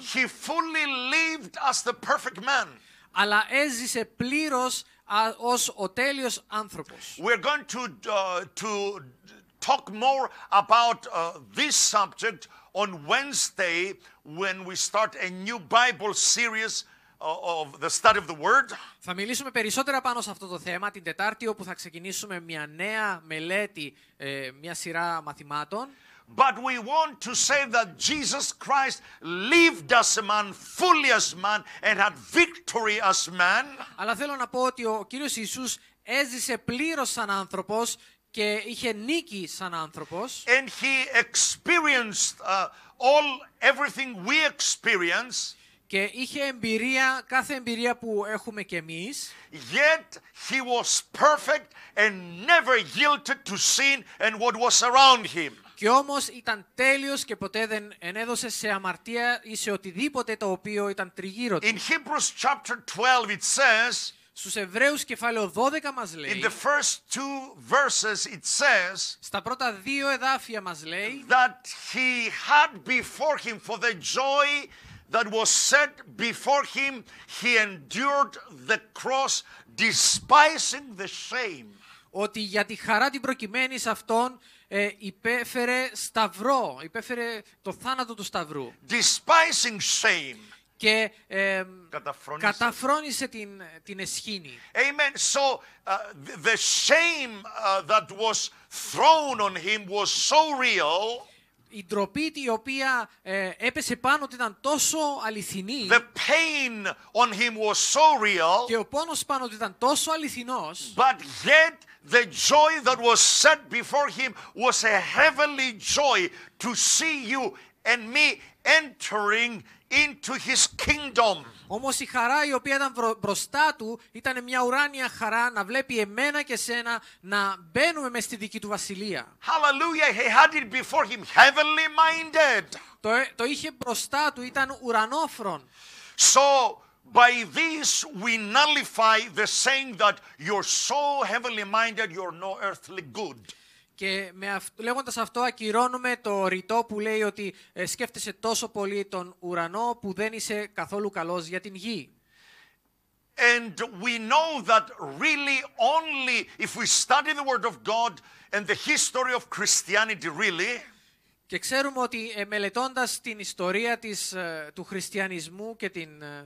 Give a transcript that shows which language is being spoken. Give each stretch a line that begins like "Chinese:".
English: He fully lived as the perfect man.
Greek: Αλλά έζησε πλήρως ως ο τέλειος άνθρωπος.
English: We're going to talk more about this subject on Wednesday when we start a new Bible series of the study of the word.
Greek: Θα μιλήσουμε περισσότερα πάνω σε αυτό το θέμα την Τετάρτη, όπου θα ξεκινήσουμε μια νέα μελέτη, μια σειρά μαθημάτων.
English: But we want to say that Jesus Christ lived as a man, fully as man, and had victory as man.
Greek: Αλλά θέλω να πω ότι ο Κύριος Ιησούς έζησε πλήρως σαν άνθρωπος και είχε νίκη σαν άνθρωπος.
English: And He experienced everything we experience.
Greek: Και είχε εμπειρία, κάθε εμπειρία που έχουμε κι εμείς.
English: Yet He was perfect and never yielded to sin and what was around Him.
Greek: Και όμως ήταν τέλειος και ποτέ δεν ενέδωσε σε αμαρτία ή σε οτιδήποτε το οποίο ήταν τριγύρω του.
English: In Hebrews chapter 12 it says.
Greek: Στους Εβραίους κεφάλαιο 12 μας λέει.
English: In the first two verses it says.
Greek: Στα πρώτα δύο εδάφια μας λέει.
English: That He had before Him for the joy that was set before Him, He endured the cross, despising the shame.
Greek: Ότι για τη χαρά την προκειμένη σε αυτόν υπέφερε σταυρό, υπέφερε το θάνατο του σταυρού.
English: Despising shame.
Greek: Και καταφρόνησε την εσχήνη.
English: Amen. So the shame that was thrown on Him was so real.
Greek: Η ντροπή η οποία έπεσε πάνω ήταν τόσο αληθινή.
English: The pain on Him was so real.
Greek: Και ο πόνος πάνω ήταν τόσο αληθινός.
English: But yet the joy that was set before Him was a heavenly joy to see you and me entering into His kingdom.
Greek: Όμως η χαρά η οποία ήταν μπροστά Του ήταν μια ουράνια χαρά να βλέπει εμένα και σένα να μπαίνουμε μες στη δική Του βασιλεία.
English: Hallelujah, He had it before Him, heavenly minded.
Greek: Το είχε μπροστά Του, ήταν ουρανόφρον.
English: So, by this we nullify the saying that you're so heavenly minded, you're no earthly good.
Greek: Και λέγοντας αυτό ακυρώνουμε το ρητό που λέει ότι σκέφτεσαι τόσο πολύ τον ουρανό που δεν είσαι καθόλου καλός για την γη.
English: And we know that really only if we study the word of God and the history of Christianity really.
Greek: Και ξέρουμε ότι μελετώντας την ιστορία της του χριστιανισμού και την